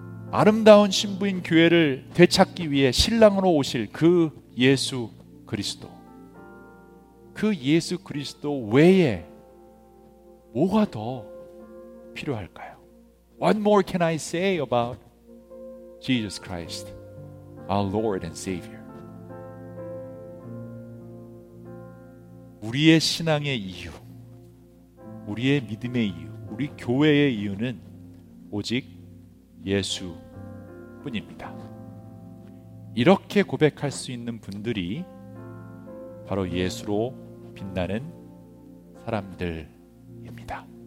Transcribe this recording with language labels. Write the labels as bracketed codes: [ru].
[ko] 아름다운 신부인 교회를 되찾기 위해 신랑으로 오실 그 예수 그리스도, 그 예수 그리스도 외에 뭐가 더 필요할까요? [en] What more can I say about Jesus Christ, our Lord and Savior? [ko] 우리의 신앙의 이유, 우리의 믿음의 이유, 우리 교회의 이유는 오직 예수뿐입니다. 이렇게 고백할 수 있는 분들이 바로 예수로 빛나는 사람들입니다.